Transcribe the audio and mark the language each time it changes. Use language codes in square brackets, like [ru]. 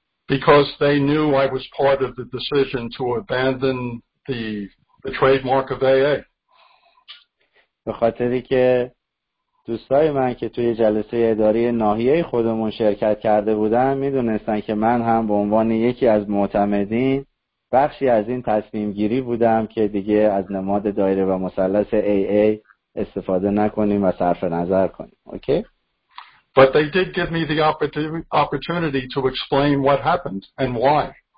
[en] Because they knew I was part of the decision to abandon the trademark of AA. [fa] به خاطری که دوستای من که توی جلسه اداری ناحیه خودمون شرکت کرده بودن میدونستن که من هم به عنوان یکی از معتمدین بخشی از این تصمیم گیری بودم که دیگه از نماد دایره و مثلث AA استفاده نکنیم و صرف نظر کنیم. [en] Okay? But they did give me the opportunity to explain what happened and why.